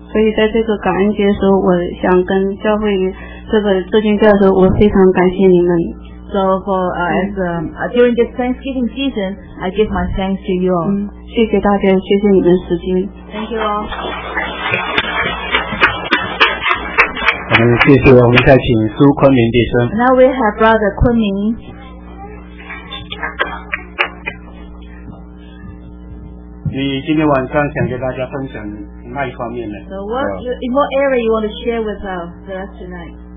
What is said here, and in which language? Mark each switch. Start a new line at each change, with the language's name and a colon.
Chinese: 所以在这个感恩节的时候，我想跟教会这间教的时候，我非常感谢你们。
English: So for during this Thanksgiving season, I give my thanks to you all.
Chinese: 谢谢大家，谢谢你们时间。
English: Thank you all.
Chinese: 谢谢，我们再请苏昆明弟兄。
English: Now we have Brother 昆明。
Chinese: 你今天晚上想跟大家分享哪一方面呢
English: So what area you want to share with us tonight?